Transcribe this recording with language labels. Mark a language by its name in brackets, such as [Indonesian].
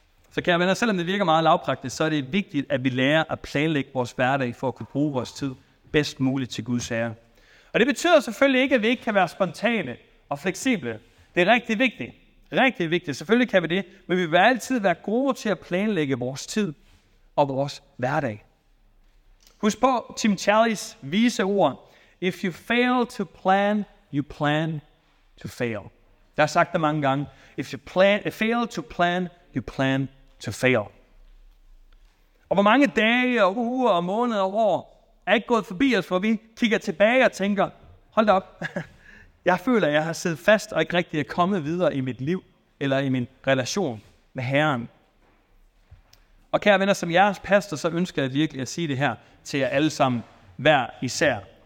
[Danish] Så kære venner, selvom det virker meget lavpraktisk, så er det vigtigt, at vi lærer at planlægge vores hverdag for at kunne bruge vores tid bedst muligt til Guds ære. Og det betyder selvfølgelig ikke, at vi ikke kan være spontane og fleksible. Det er rigtig vigtigt. Rigtig vigtigt. Selvfølgelig kan vi det, men vi vil altid være gode til at planlægge vores tid og vores hverdag. Husk på Tim Charlies vise ord. [English] If you fail to plan, you plan to fail. [Danish] Jeg har sagt det mange gange. [English] If you fail to plan, you plan to fail. [Danish] Og hvor mange dage og uger og måneder og år er ikke gået forbi os, hvor vi kigger tilbage og tænker, hold op, jeg føler, at jeg har siddet fast og ikke rigtig er kommet videre i mit liv eller i min relation med Herren. Og kære venner, som jeres pastor, så ønsker jeg virkelig at sige det her til jer alle sammen, hver især.